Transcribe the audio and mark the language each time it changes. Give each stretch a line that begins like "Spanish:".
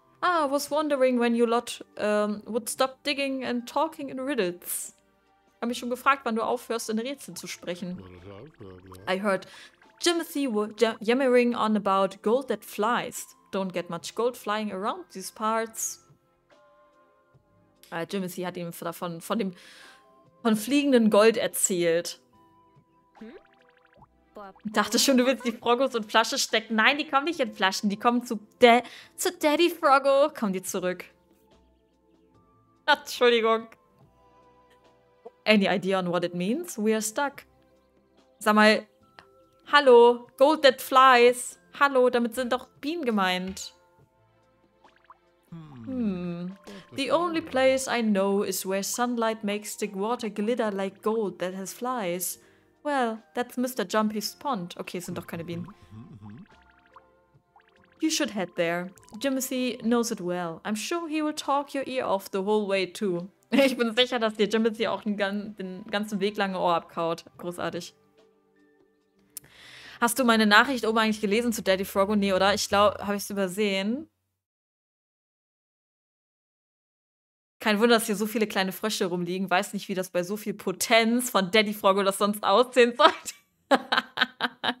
English: Ah, I was wondering when you lot would stop digging and talking in riddles.
German: Ich habe mich schon gefragt, wann du aufhörst, in Rätseln zu sprechen.
English: I heard Timothy yammering on about gold that flies. Don't get much gold flying around these parts.
German: Timothy hat ihm von fliegenden Gold erzählt. Ich dachte schon, du willst die Froggos in Flasche stecken. Nein, die kommen nicht in Flaschen. Die kommen zu Daddy Froggo. Kommen die zurück. Entschuldigung.
English: Any idea on what it means? We are stuck.
German: Sag mal, hallo,
English: gold that flies.
German: Hallo, damit sind doch Bienen gemeint.
English: The only place I know is where sunlight makes the water glitter like gold that has flies. Well, that's Mr. Jumpy's pond. Okay,
German: sind doch keine Bienen.
English: You should head there. Timothy knows it well. I'm sure he will talk your ear off the whole way too.
German: Ich bin sicher, dass dir Timothy auch den ganzen Weg lang Ohr abkaut. Großartig. Hast du meine Nachricht oben eigentlich gelesen zu Daddy Froggo? Nee, oder? Ich glaube, habe ich es übersehen? Kein Wunder, dass hier so viele kleine Frösche rumliegen. Weiß nicht, wie das bei so viel Potenz von Daddy Froggo das sonst aussehen sollte.